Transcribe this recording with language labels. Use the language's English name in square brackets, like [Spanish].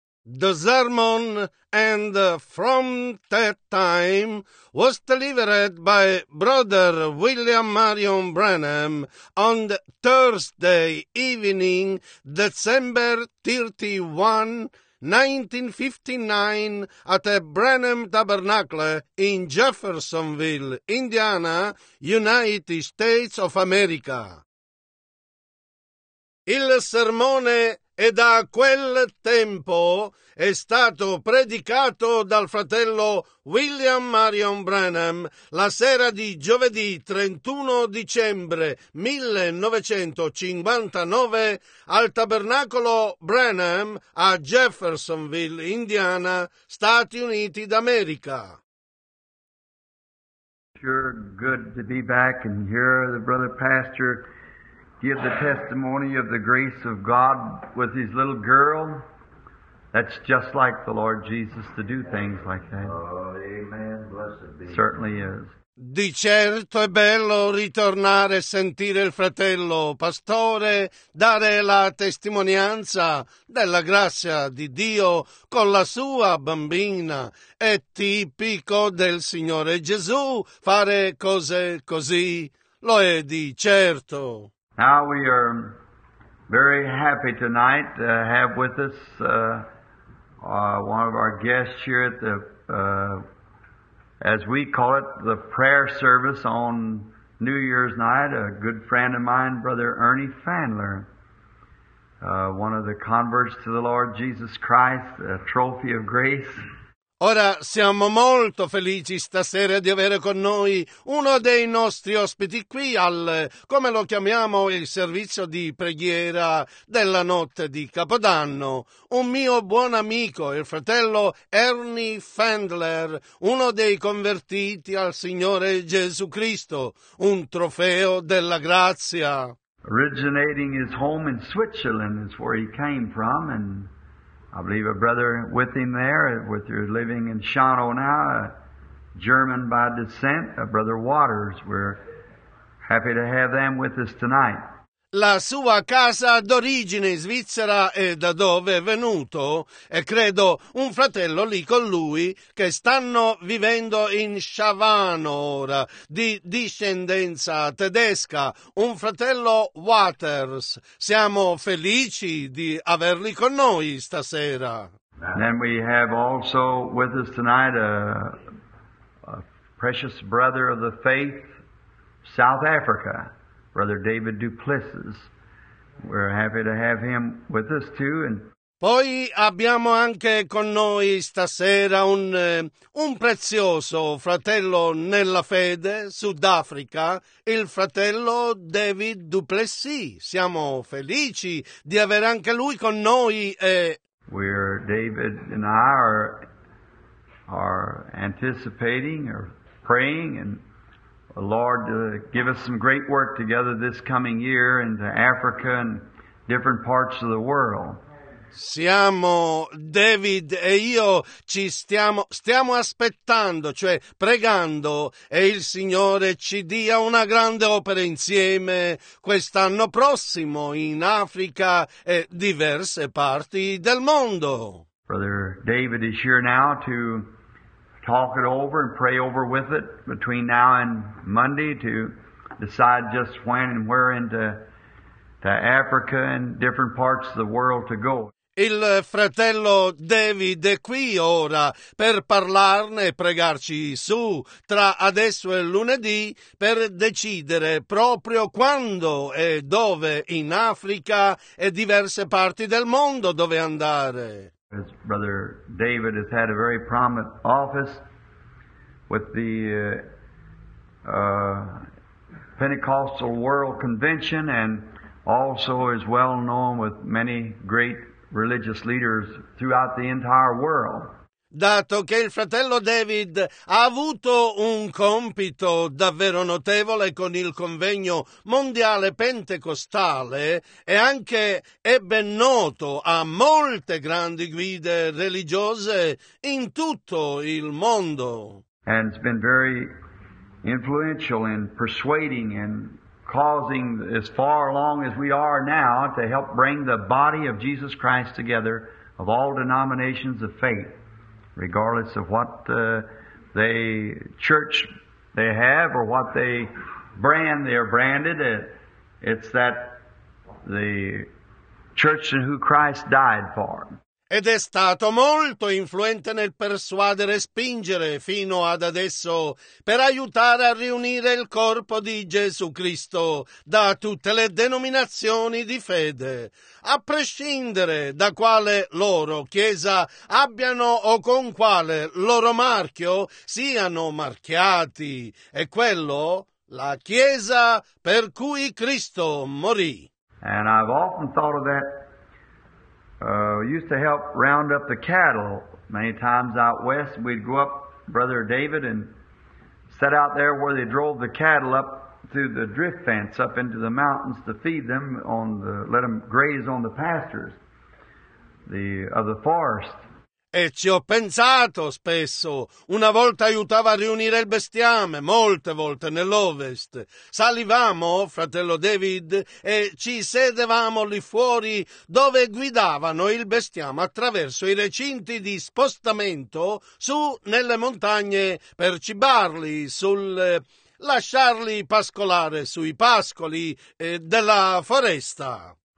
[English] The sermon and from that time was delivered by Brother William Marion Branham on Thursday evening, December 31, 1959, at a Branham Tabernacle in Jeffersonville, Indiana, United States of America. [Italian] Il sermone e da quel tempo è stato predicato dal fratello William Marion Branham la sera di giovedì 31 dicembre 1959 al Tabernacolo Branham a Jeffersonville, Indiana, Stati Uniti d'America. [English] Sure, good to be back and hear the brother pastor give the testimony of the grace of God with his little girl. That's just like the Lord Jesus to do things like that. Oh, amen. Blessed be. Certainly is. [Italian] Di certo è bello ritornare e sentire il fratello pastore dare la testimonianza della grazia di Dio con la sua bambina. È tipico del Signore Gesù fare cose così. Lo è di certo. [English] Now we are very happy tonight to have with us one of our guests here at the, as we call it, the prayer service on New Year's night, a good friend of mine, Brother Ernie Fandler, one of the converts to the Lord Jesus Christ, a trophy of grace. [Italian] Ora siamo molto felici stasera di avere con noi uno dei nostri ospiti qui al, come lo chiamiamo, il servizio di preghiera della notte di Capodanno. Un mio buon amico, il fratello Ernie Fandler, uno dei convertiti al Signore Gesù Cristo, un trofeo della grazia. [English] Originating his home in Switzerland is where he came from, and I believe a brother with him there, with your living in Shano now, a German by descent, a brother Waters. We're happy to have them with us tonight. [Italian] La sua casa d'origine in Svizzera è da dove è venuto, e credo un fratello lì con lui che stanno vivendo in Shavano ora, di discendenza tedesca, un fratello Waters. Siamo felici di averli con noi stasera. [English] Then we have also with us tonight a precious brother of the faith, South Africa. Brother David Duplessis. We're happy to have him with us too. And [Italian] poi abbiamo anche con noi stasera un prezioso fratello nella fede, Sudafrica, il fratello David Duplessis. Siamo felici di avere anche lui con noi. E [English] we're David and I are anticipating or praying and Lord, give us some great work together this coming year into Africa and different parts of the world. [Italian] Siamo, David e io, ci stiamo aspettando, cioè pregando, e il Signore ci dia una grande opera insieme quest'anno prossimo in Africa e diverse parti del mondo. [English] Brother David is here now to talk it over and pray over with it between now and Monday to decide just when and where into Africa and different parts of the world to go. [Italian] Il fratello David è qui ora per parlarne e pregarci su tra adesso e lunedì per decidere proprio quando e dove in Africa e diverse parti del mondo dove andare. [English] His brother David has had a very prominent office with the Pentecostal World Convention and also is well known with many great religious leaders throughout the entire world. [Italian] Dato che il fratello David ha avuto un compito davvero notevole con il convegno mondiale pentecostale e anche è ben noto a molte grandi guide religiose in tutto il mondo. [English] And it's been very influential in persuading and causing as far along as we are now to help bring the body of Jesus Christ together of all denominations of faith, regardless of what they church they have or what they brand they are branded. It's that the church in who Christ died for. [Italian] Ed è stato molto influente nel persuadere e spingere fino ad adesso per aiutare a riunire il corpo di Gesù Cristo da tutte le denominazioni di fede, a prescindere da quale loro chiesa abbiano o con quale loro marchio siano marchiati. E quello, la chiesa per cui Cristo morì. [English] And I've often thought of that. Used to help round up the cattle many times out west. We'd go up, Brother David, and set out there where they drove the cattle up through the drift fence up into the mountains to feed them on the, let them graze on the pastures of the forest. [Italian] E ci ho pensato spesso, una volta aiutava a riunire il bestiame, molte volte nell'ovest. Salivamo, fratello David, e ci sedevamo lì fuori dove guidavano il bestiame attraverso i recinti di spostamento su nelle montagne per cibarli, sul lasciarli pascolare sui pascoli della foresta.